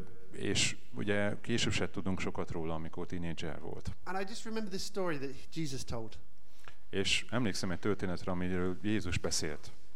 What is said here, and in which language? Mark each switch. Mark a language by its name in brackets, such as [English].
[Hungarian] És ugye később se tudunk sokat róla, amikor tínédzser volt. [English] And I just remember this story that Jesus told. [Hungarian] És emlékszem egy történetre, amiről Jézus beszélt.